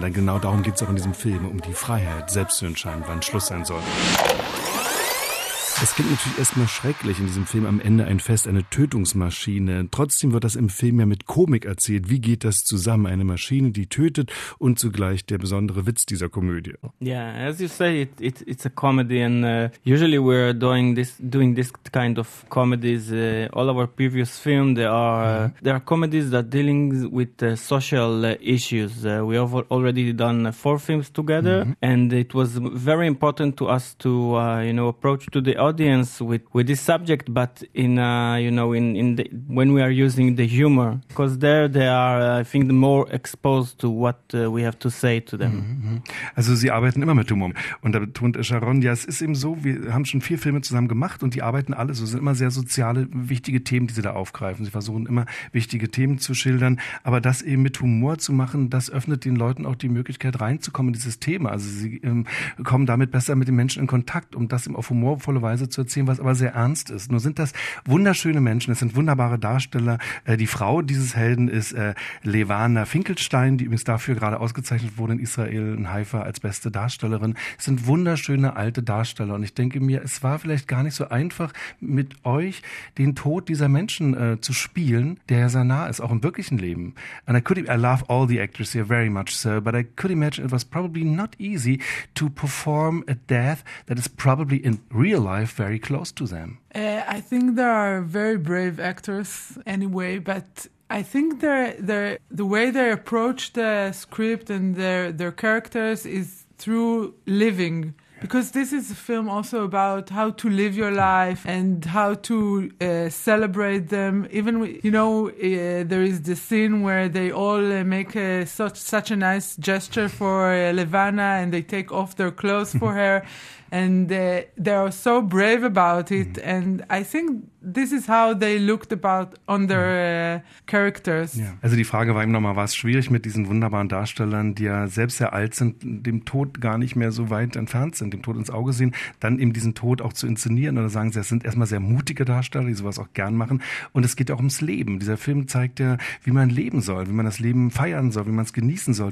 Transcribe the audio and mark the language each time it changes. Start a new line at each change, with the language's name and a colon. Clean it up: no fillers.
German: Denn genau darum geht es auch in diesem Film, um die Freiheit, selbst zu entscheiden, wann Schluss sein soll. Es klingt natürlich erstmal schrecklich in diesem Film am Ende ein Fest, eine Tötungsmaschine. Trotzdem wird das im Film ja mit Komik erzählt. Wie geht das zusammen? Eine Maschine, die tötet und zugleich der besondere Witz dieser Komödie.
English: Yeah, as you say, it's a comedy and usually we're doing this kind of comedies. All our previous film, there are comedies that dealing with social issues. We have already done 4 films together and it was very important to us to approach to the audience with this subject, but when we are using the humor, because there they are, I think, the more exposed to what we have to say to them.
German: Mm-hmm. Also sie arbeiten immer mit Humor. Und da betont Sharon, ja, es ist eben so, wir haben schon 4 Filme zusammen gemacht und die arbeiten alle so. Es sind immer sehr soziale, wichtige Themen, die sie da aufgreifen. Sie versuchen immer, wichtige Themen zu schildern. Aber das eben mit Humor zu machen, das öffnet den Leuten auch die Möglichkeit, reinzukommen in dieses Thema. Also sie kommen damit besser mit den Menschen in Kontakt, um das eben auf humorvoll Weise zu erzählen, was aber sehr ernst ist. Nur sind das wunderschöne Menschen, es sind wunderbare Darsteller. Die Frau dieses Helden ist Levana Finkelstein, die übrigens dafür gerade ausgezeichnet wurde in Israel in Haifa als beste Darstellerin. Es sind wunderschöne alte Darsteller und ich denke mir, es war vielleicht gar nicht so einfach mit euch den Tod dieser Menschen zu spielen, der ja sehr nah ist, auch im wirklichen Leben.
English: And I love all the actors here very much, sir, but I could imagine it was probably not easy to perform a death that is probably in real life very close to them. I think they are very brave actors anyway, but I think the way they approach the script and their characters is through living. Because this is a film also about how to live your life and how to celebrate them. Even, there is the scene where they all make such a nice gesture for Levana and they take off their clothes for her. And they are so brave about it. Mm-hmm. And I think this is how they looked about on their characters. Yeah.
German: Also die Frage war eben nochmal, war es schwierig mit diesen wunderbaren Darstellern, die ja selbst sehr alt sind, dem Tod gar nicht mehr so weit entfernt sind, dem Tod ins Auge sehen, dann eben diesen Tod auch zu inszenieren? Oder sagen sie, es sind erstmal sehr mutige Darsteller, die sowas auch gern machen. Und es geht ja auch ums Leben. Dieser Film zeigt ja, wie man leben soll, wie man das Leben feiern soll, wie man es genießen soll.